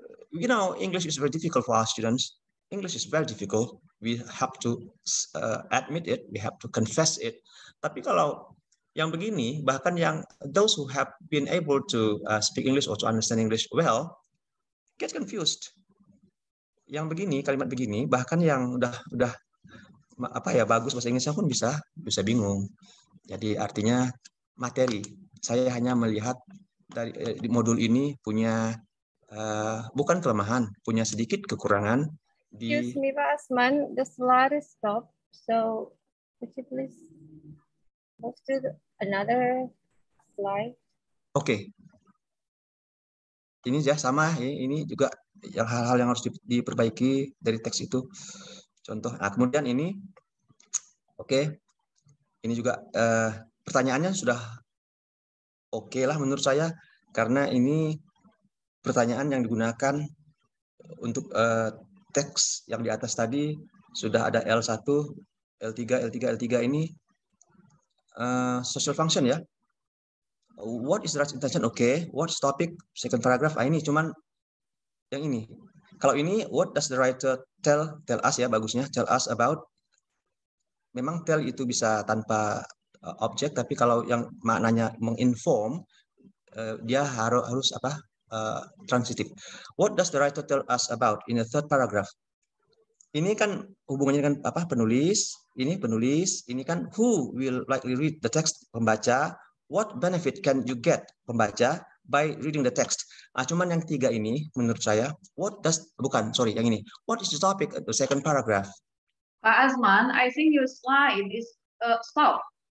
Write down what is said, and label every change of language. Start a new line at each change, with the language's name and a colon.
English: You know, English is very difficult for our students. English is very difficult. We have to admit it, we have to confess it.
Indonesian: Tapi kalau yang begini, bahkan yang
English: those who have been able to speak English or to understand English well, get confused.
Indonesian: Yang begini, kalimat begini, bahkan yang udah apa ya, bagus bahasa Inggrisnya pun bisa bingung. Jadi artinya materi. Saya hanya melihat dari di modul ini punya bukan kelemahan, punya sedikit kekurangan. Di...
English: Excuse me, Pak Asman, the slide is stopped. So could you please move to another slide?
Indonesian: Oke. Okay. Ini ya sama. Ini juga hal-hal yang harus diperbaiki dari teks itu. Contoh. Nah, kemudian ini. Oke. Okay. Ini juga pertanyaannya sudah oke lah menurut saya, karena ini pertanyaan yang digunakan untuk teks yang di atas tadi sudah ada L1, L3, L3, L3 ini social function ya.
English: What is the right intention? Okay. What's topic? Second paragraph.
Indonesian: Ini cuman yang ini. Kalau ini
English: what does the writer tell us ya,
Indonesian: bagusnya
English: tell us about.
Indonesian: Memang tell itu bisa tanpa objek, tapi kalau yang maknanya menginform, dia harus apa?
English: Transitive. What does the writer tell us about in the third paragraph?
Indonesian: Ini kan hubungannya dengan apa? Penulis. Ini kan
English: who will likely read the text,
Indonesian: pembaca.
English: What benefit can you get, pembaca, by reading the text?
Indonesian: Nah, cuman yang tiga ini, menurut saya, yang ini.
English: What is the topic of the second paragraph? Pak Asman, I think your slide is stopped.